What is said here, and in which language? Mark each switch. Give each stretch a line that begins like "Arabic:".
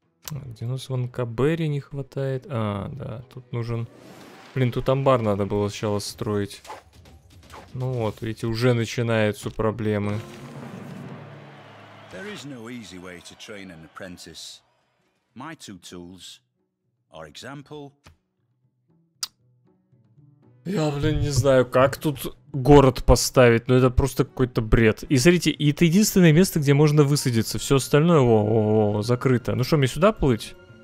Russian: Где у нас вон Кабери не хватает? А, да, тут нужен... Блин, тут амбар надо было сначала строить. Ну вот, видите, уже начинаются проблемы.
English: There is no easy way to train an apprentice. My two tools are example.
Russian: Я, блин, не знаю, как тут город поставить, но это просто какой-то бред. И смотрите, это единственное место, где можно высадиться. Все остальное, о, закрыто. Ну что, мне сюда плыть?